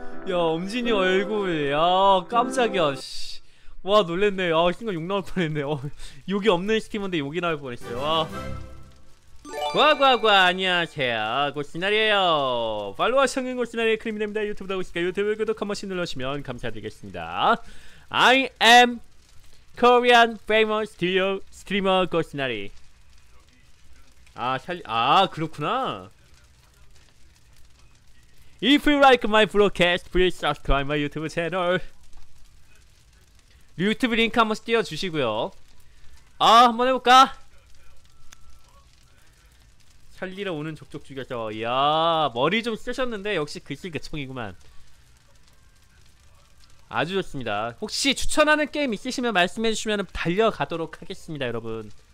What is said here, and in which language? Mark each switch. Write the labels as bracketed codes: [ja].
[ko] 야, 엄진이 얼굴, 야, 깜짝이야, 씨. 와, 놀랬네. 아, 순간 욕 나올 뻔했네. 욕이 없는 스팀인데 욕이 나올 뻔했어요. 와. 구아구아구아, 안녕하세요. 골시나리에요. 팔로워 성인 골시나리의 크림입니다. 유튜브도 하고 있으니까 유튜브 구독 한 번씩 눌러주시면 감사드리겠습니다. [en] I am Korean famous streamer 골시나리. [ko] 아, 그렇구나. [en] If you like my broadcast, please subscribe my YouTube channel. [ko] 유튜브 링크 한번 띄워주시고요. 아, 한번 해볼까? 살리러 오는 족족 죽여서. 이야, 머리 좀 쓰셨는데 역시 글씨 개청이구만. 아주 좋습니다. 혹시 추천하는 게임 있으시면 말씀해주시면 달려가도록 하겠습니다, 여러분.